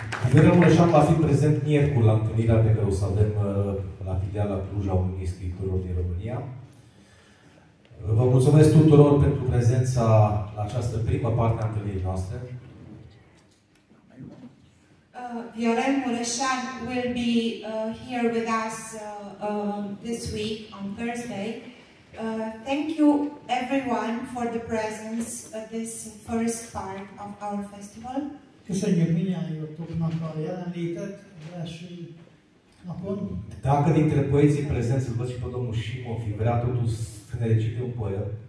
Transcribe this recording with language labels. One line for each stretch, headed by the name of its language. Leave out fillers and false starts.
Romanian: Viorel Mureșan va fi prezent miercuri la întâlnirea pe care o să avem la filiala Cluj a Uniunii Scriitorilor din România. Vă mulțumesc tuturor pentru prezența la această primă parte a întâlnirii noastre.
English: Viorel Mureșan will be here with us this week on Thursday. Thank you everyone for the presence of this first part of our festival.
Hungarian: Köszönjük mindjártoknak a jelenlétet az első napon.
Romanian: Dacă dintre poeții prezenți îl văd și pe domnul Shimov, vrea totuși să ne recite un poem.